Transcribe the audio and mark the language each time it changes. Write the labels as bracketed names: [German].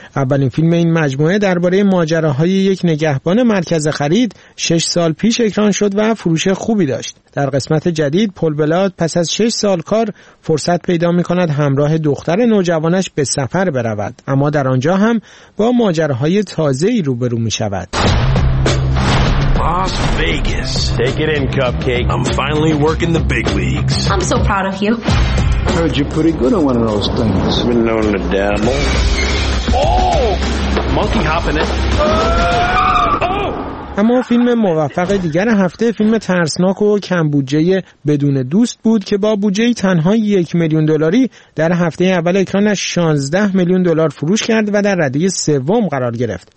[Persian] اولین فیلم این مجموعه درباره ماجراهای یک نگهبان مرکز خرید 6 سال پیش اکران شد و فروش خوبی داشت. در قسمت جدید پل بلارت پس از 6 سال کار فرصت پیدا می‌کند همراه دختر نوجوانش به سفر برود، اما در آنجا هم با ماجراهای تازه‌ای روبرو می‌شود. [English] Las Vegas. Take it in, cupcake. I'm finally working the big leagues. I'm so proud of you. I heard you're pretty good at one of those things. I've been known to dabble. Oh! Monkey hopping it. [Persian] اما فیلم موفق دیگر هفته فیلم ترسناک و کم بودجه بدون دوست بود که با بودجه تنها 1 میلیون دلاری در هفته اول اکرانش 16 میلیون دلار فروش کرد و در ردیه سوم قرار گرفت.